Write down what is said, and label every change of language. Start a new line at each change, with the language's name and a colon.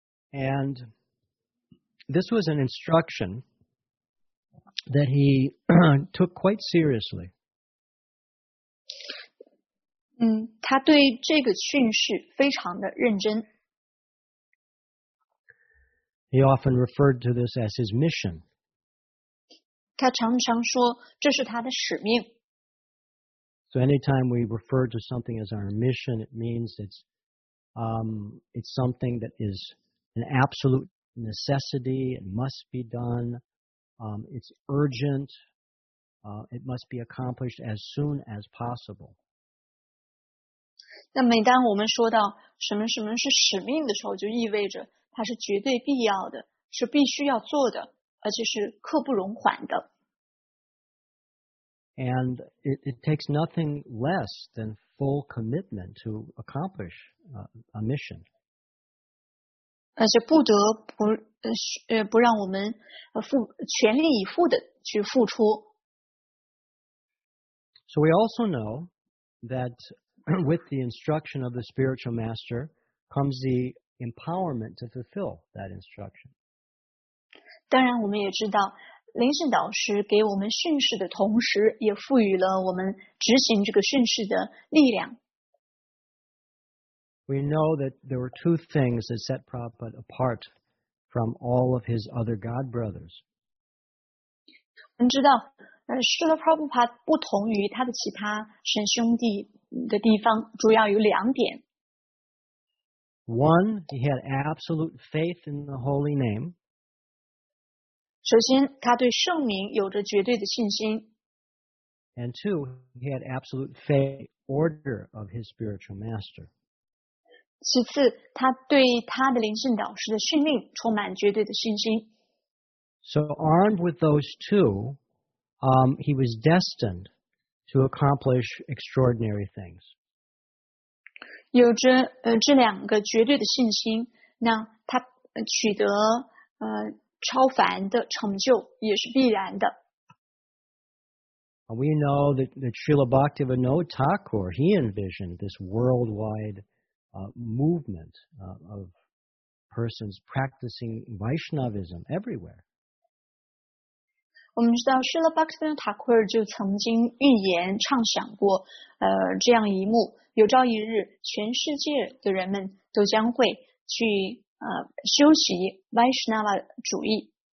English: And this was an instruction that he took quite seriously.
Chinese: 他对这个训示非常的认真。
English: He often referred to this as his mission.
Chinese: 他常常说这是他的使命。
English: So anytime we refer to something as our mission, it means it's something that is an absolute necessity, it must be done, it's urgent, it must be accomplished as soon as possible.
Chinese: 那每当我们说到什么什么是使命的时候，就意味着它是绝对必要的，是必须要做的，而且是刻不容缓的。
English: And it takes nothing less than full commitment to accomplish a mission.
Chinese: 而且不得不让我们全力以赴的去付出。
English: So we also know that. With the instruction of the spiritual master comes the empowerment to fulfill that instruction.
Chinese: 当然我们也知道灵性导师给我们训示的同时也赋予了我们执行这个训示的力量。
English: We know that there were two things that set Prabhupada apart from all of his other god brothers.
Chinese: 我们知道Srila Prabhupada 不同于他的其他神兄弟的地方主要有两点。
English: One, he had absolute faith in the holy name.
Chinese: 首先，他对圣名有着绝对的信心。
English: And two, he had absolute faith in the order of his spiritual master.
Chinese: 其次，他对他的灵性导师的训令充满绝对的信心。
English: So armed with those two, he was destined. To accomplish extraordinary things.
Chinese: 有着这两个绝对的信心，那他取得超凡的成就也是必然的。
English: We know that Srila Bhaktivinoda Thakur, he envisioned this worldwide movement of persons practicing Vaishnavism everywhere.
Chinese: 我们知道 Srila Bhaktivinoda Thakur 就曾经预言畅想过这样一幕，有朝一日全世界的人们都将会去修习 Vaishnava 主义。